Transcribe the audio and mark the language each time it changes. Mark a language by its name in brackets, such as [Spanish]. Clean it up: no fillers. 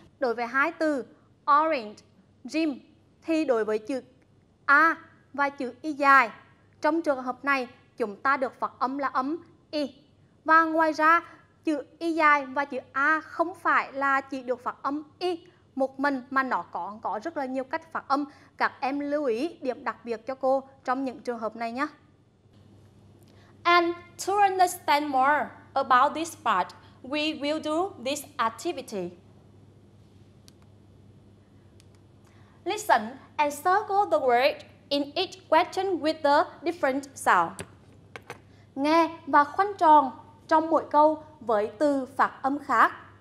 [Vietnamese] Đối với hai từ orange, gym thì đối với chữ a và chữ y dài trong trường hợp này chúng ta được phát âm là âm y. Và ngoài ra chữ y dài và chữ a không phải là chỉ được phát âm y một mình mà nó có rất là nhiều cách phát âm. Các em lưu ý điểm đặc biệt cho cô trong những trường hợp này nhé. [English] And to understand more about this part, we will do this activity. Listen and circle the word in each question with the different sound. [Vietnamese] Nghe và khoanh tròn trong mỗi câu với từ phát âm khác.